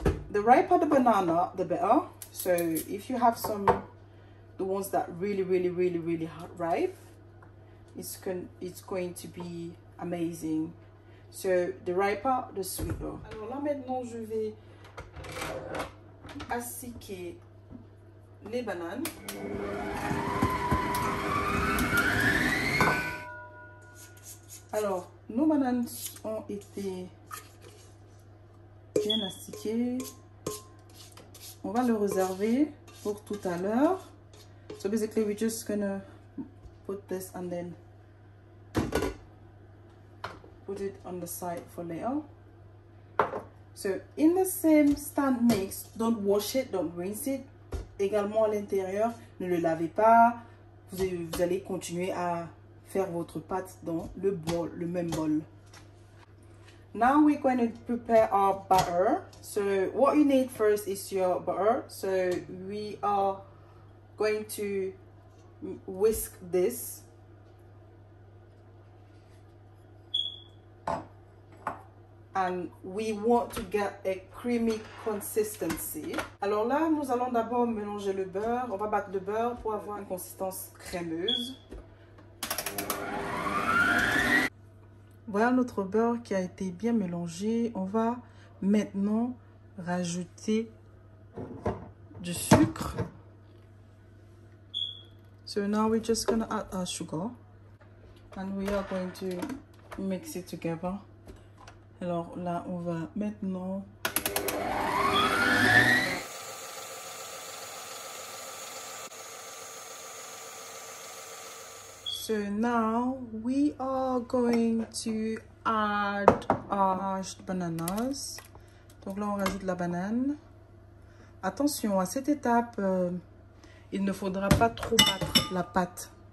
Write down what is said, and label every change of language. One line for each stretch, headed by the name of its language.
English: The riper the banana, the better. So if you have some, the ones that really ripe, it's going to be amazing. So the riper, the sweeter.
French: Alors là maintenant je vais assiquer les bananes. Alors, nos bananes ont été bien astiquées. On va le réserver pour tout à l'heure.
English: So basically, we're just gonna put this and then put it on the side for later. So, in the same stand mix, don't wash it, don't rinse it.
French: Également à l'intérieur, ne le lavez pas. Vous allez continuer à faire votre pâte dans le bol, le même bol.
English: Now we're going to prepare our butter. So what you need first is your butter. So we are going to whisk this. And we want to get a creamy consistency.
French: Alors là, nous allons d'abord mélanger le beurre. On va battre le beurre pour avoir une consistance crémeuse. Voilà notre beurre qui a été bien mélangé. On va maintenant rajouter du sucre.
English: So now we're just gonna add our sugar and we are going to mix it together.
French: Alors là, on va maintenant.
English: So now we are going to add our bananas.
French: Donc là, on rajoute la banane. Attention, à cette étape, il ne faudra pas trop battre la pâte.